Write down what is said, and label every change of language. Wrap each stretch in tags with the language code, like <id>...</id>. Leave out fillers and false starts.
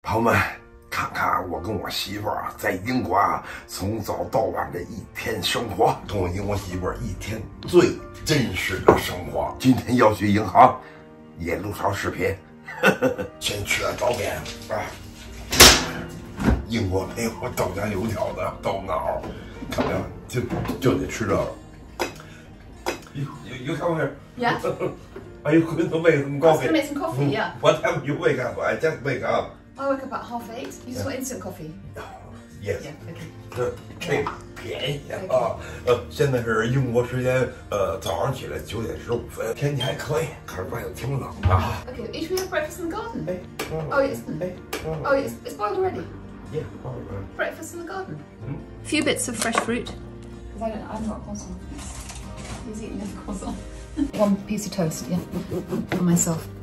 <zh>朋友们，看看我跟我媳妇儿啊，在英国啊，从早到晚的一天生活，跟我英国媳妇儿一天最真实的生活。今天要去银行，也录条视频，先吃点早点啊。英国没有豆浆油条的豆脑，看不看？就得吃这个。</zh> <en>You come here? Yeah. Are you going to make some coffee? I'm going to make some coffee, yeah. What time do you wake up? I just wake up. I wake up at half eight. You just want instant coffee? Yes. Yeah, okay.</en> <zh>这便宜啊！现在是英国时间，早上起来9:15，天气还可以，可是外头挺冷的。</zh> <en>Okay, should we have breakfast in the garden? It's boiled already. Yeah. Breakfast in the garden. Few bits of fresh fruit. Because I'm not croissant. He's eating the croissant. One piece of toast, yeah, for myself.</en>